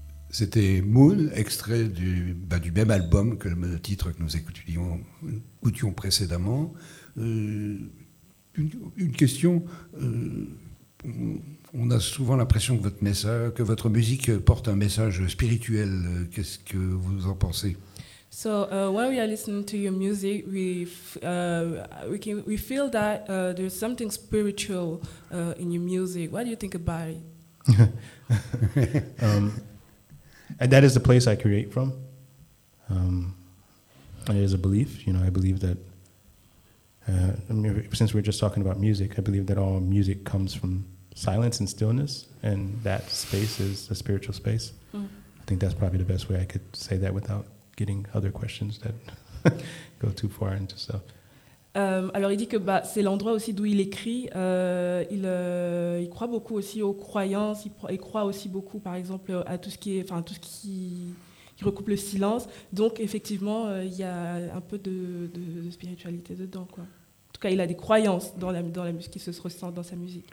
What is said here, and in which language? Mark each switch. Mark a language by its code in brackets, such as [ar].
[fr] C'était Moon, extrait du, bah, du même album que le titre que nous écoutions précédemment. Une question, on a souvent l'impression que votre, message, que votre musique porte un message spirituel. Qu'est-ce que vous en pensez? [en] So when we are listening to your music, we feel that there's something spiritual in your music. What do you think about it? And that is the place I create from. It is a belief. You know, I believe that. Since we're just talking about music, I believe that all music comes from silence and stillness, and that space is a spiritual space. Mm. I think that's probably the best way I could say that without getting other questions that go too far into stuff. [fr] Alors il dit que bah, c'est l'endroit aussi d'où il écrit. Il croit beaucoup aussi aux croyances. Il croit aussi beaucoup, par exemple, à tout ce qui est, enfin, tout ce qui recoupe le silence. Donc effectivement, il y a un peu de spiritualité dedans, quoi. En tout cas, il a des croyances dans la musique qui se ressentent dans sa musique.